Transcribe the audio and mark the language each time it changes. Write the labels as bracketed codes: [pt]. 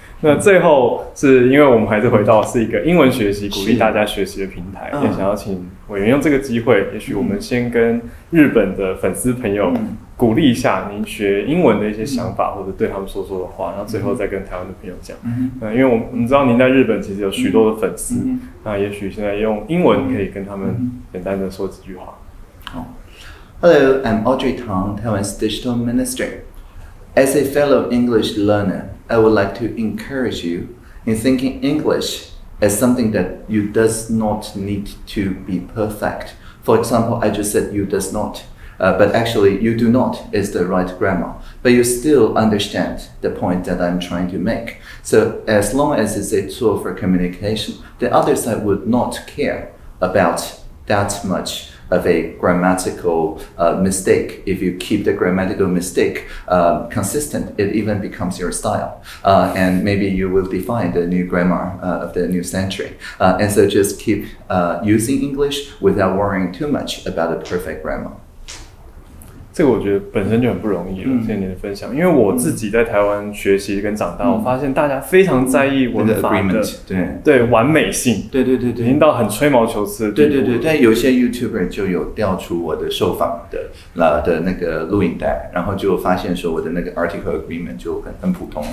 [zh] 那最后是因为我们还是回到是一个英文学习鼓励大家学习的平台，也想要请委员用这个机会，也许我们先跟日本的粉丝朋友鼓励一下您学英文的一些想法，或者对他们说说的话，然后最后再跟台湾的朋友讲。因为我们知道您在日本其实有许多的粉丝，那也许现在用英文可以跟他们简单的说几句话。 [en] Hello, I'm Audrey Tang, Taiwan's Digital Minister. As a fellow English learner,I would like to encourage you in thinking English as something that you does not need to be perfect. For example, I just said you does not, but actually you do not is the right grammar, but you still understand the point that I'm trying to make. So as long as it's a tool for communication, the other side would not care about that much. Of a grammatical mistake. If you keep the grammatical mistake consistent, it even becomes your style. And maybe you will define the new grammar of the new century. And so just keep using English without worrying too much about a perfect grammar. [zh] 这个我觉得本身就很不容易了，谢谢你的分享。因为我自己在台湾学习跟长大，我发现大家非常在意文法的 [en] agreement, [zh] 对完美性，对对对对，已经到很吹毛求疵的地步。对对对，但有些 YouTuber 就有调出我的受访 的那个录影带，然后就发现说我的那个 article agreement 就很普通了，